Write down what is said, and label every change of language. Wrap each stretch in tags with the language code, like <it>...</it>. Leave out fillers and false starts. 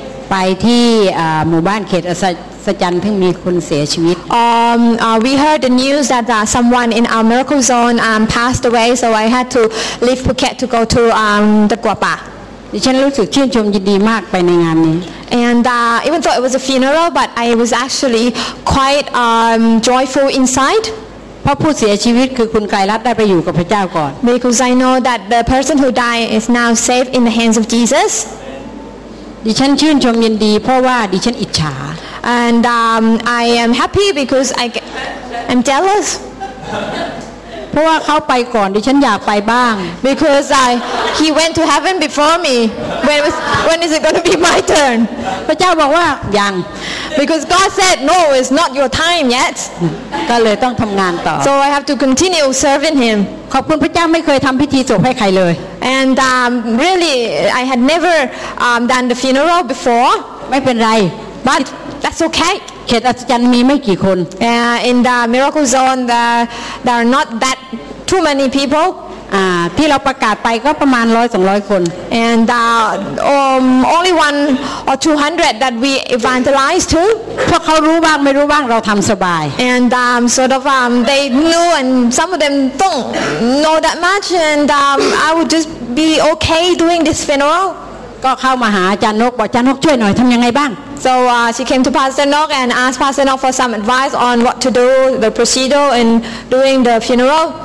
<th>ไปที่หมู่บ้านเขตอัศสัจจันทร์เพิ่งมีคนเสียชีวิต</th> <en>We heard the news that someone in our miracle zone passed away so I had to leave Phuket to go to the Guapa</en> <th>ดิฉันรู้สึกชื่นชมยินดีมากไปในงานนี้</th> <en>and even though it was a funeral but I was actually quite joyful inside</en> <th>เพราะผู้เสียชีวิตคือคุณไกรรัตน์ได้ไปอยู่กับพระเจ้าก่อน</th> <en>because I know that the person who died is now safe in the hands of Jesus</en> <th>ดิฉันชื่นชมยินดีเพราะว่าดิฉันอิจฉา</th> <en>And I am happy because I'm jealous.</en> <th>เพราะว่าเขาไปก่อนดิฉันอยากไปบ้าง</th> <en>Because he went to heaven before me. When is it going to be my turn?</en> <th>พระเจ้าบอกว่ายัง</th> <en>Because God said no, it's not your time yet.</en> <th>ก็เลยต้องทำงานต่อ</th> <en>So I have to continue serving him.</en> <th>ขอบคุณพระเจ้าไม่เคยทำพิธีศพให้ใครเลย</th> <en>And really, I had never done the funeral before.</en> <th>ไม่เป็นไร</th> <en>ButThat's okay.</en> <th>เขตอัศจรรย์มีไม่กี่คน</th> <en>In the miracle zone, there are not that too many people.</en> <th>ที่เราประกาศไปก็ประมาณ100-200คน</th> <en>And only one or 200 that we evangelize to.</en> <th>เพราะเขารู้บ้างไม่รู้บ้างเราทำสบาย</th> <en>And sort of they knew and some of them don't know that much. And I would just be okay doing this funeral.</en> <th>ก็เข้ามาหาอาจารย์นกบอกอาจารย์นกช่วยหน่อยทำยังไงบ้าง</th> <en>So she came to Pastor Nok and asked Pastor Nok for some advice on what to do the procedure in doing the funeral</en>